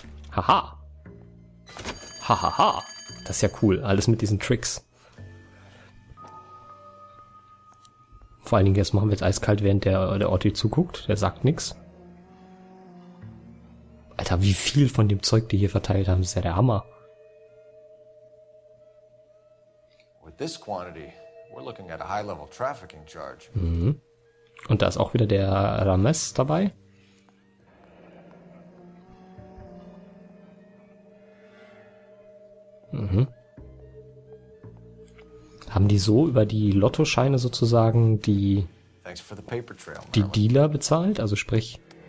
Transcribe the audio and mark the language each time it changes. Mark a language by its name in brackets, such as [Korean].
[German] Haha. Hahaha. Ha, ha. Das ist ja cool, alles mit diesen Tricks. Vor allen Dingen, jetzt machen wir jetzt eiskalt, während der Otti zuguckt. Der sagt nichts. Alter, wie viel von dem Zeug, die hier verteilt haben, ist ja der Hammer. [English] With this quantity, we're looking at a high-level trafficking charge. Mhm. [German] Und da ist auch wieder der Rames dabei. Haben die so über die Lottoscheine sozusagen die Dealer bezahlt? Also sprich...